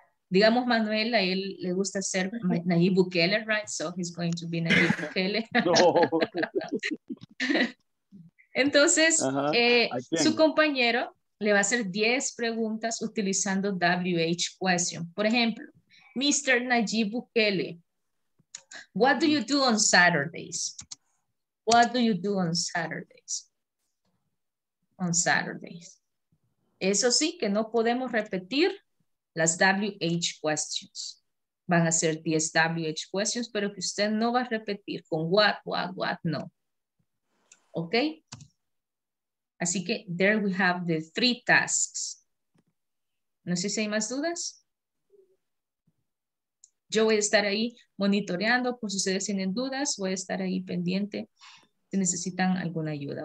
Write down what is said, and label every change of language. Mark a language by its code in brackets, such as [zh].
[es] Digamos, Manuel, a él le gusta ser Nayib Bukele, [en] right? So he's going to be Nayib Bukele. [es] Entonces, su compañero le va a hacer 10 preguntas utilizando WH question. Por ejemplo, Mr. [en] Nayib Bukele, what do you do on Saturdays? What do you do on Saturdays? On Saturdays. [es] Eso sí, que no podemos repetir las WH questions. Van a ser 10 WH questions, pero que usted no va a repetir con what, no. ¿Ok? Así que, [en] there we have the three tasks. [es] No sé si hay más dudas. Yo voy a estar ahí monitoreando por si ustedes tienen dudas. Voy a estar ahí pendiente si necesitan alguna ayuda.